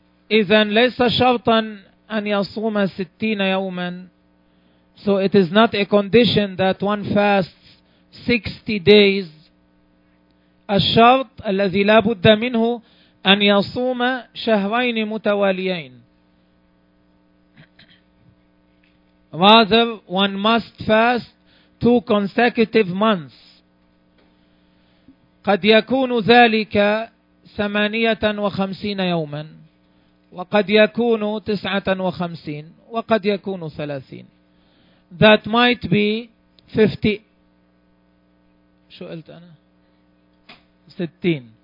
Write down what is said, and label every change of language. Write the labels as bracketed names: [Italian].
[Arabic] إذن ليس شرطا أن يصوم 60 يوما. [English] So it is not a condition that one fasts 60 days. [Arabic] الشرط الذي لا بد منه أن يصوم شهرين متواليين. [English] Rather, one must fast two consecutive months. [Arabic] قد يكون ذلك 58 يوما وقد يكون 59 وقد يكون 30. [English] That might be 50. [Arabic] شو قلت أنا؟ [English] 60.